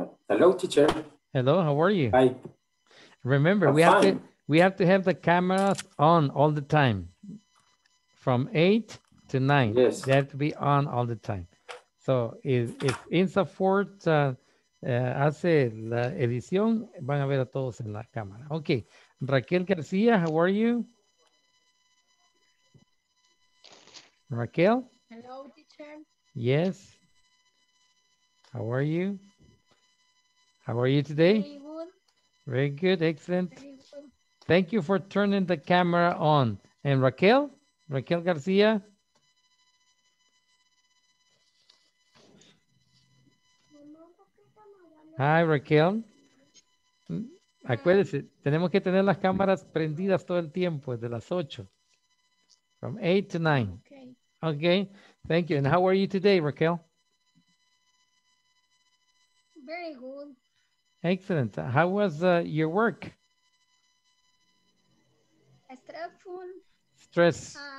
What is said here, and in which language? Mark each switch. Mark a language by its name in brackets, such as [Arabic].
[English] Hello, teacher. Hello, how are you? Hi. Remember, we have to have the cameras on all the time. From 8 to 9. Yes. They have to be on all the time. So if [Spanish] INSAFORP hace la edición, van a ver a todos en la cámara. [English] Okay, Raquel García, how are you? Raquel? Hello, teacher. Yes. How are you? How are you today? Very good. Very good, excellent. Very good. Thank you for turning the camera on. And Raquel? Raquel García? Hi, Raquel. [Spanish] Acuérdese, tenemos que tener las cámaras prendidas todo el tiempo, desde las 8. [English] From 8 to 9. Okay. Okay, thank you. And how are you today, Raquel? Very good. Excellent. How was your work? Stressful. Stress.